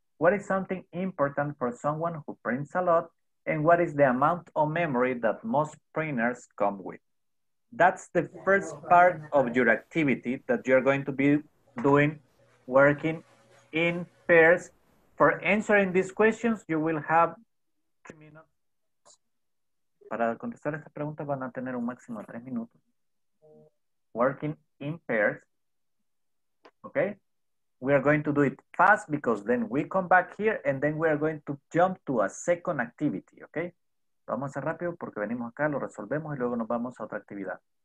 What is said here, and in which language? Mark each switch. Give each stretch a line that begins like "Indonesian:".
English: What is something important for someone who prints a lot? And what is the amount of memory that most printers come with? That's the first part of your activity that you're going to be doing, working in pairs. For answering these questions, you will have 3 minutes.
Spanish: Para contestar esta pregunta van a tener un máximo de 3 minutos.
English: Working in pairs. Okay? We are going to do it fast because then we come back here and then we are going to jump to a second activity. Okay?
Spanish: Vamos a hacer rápido porque venimos acá, lo resolvemos y luego nos vamos a otra actividad.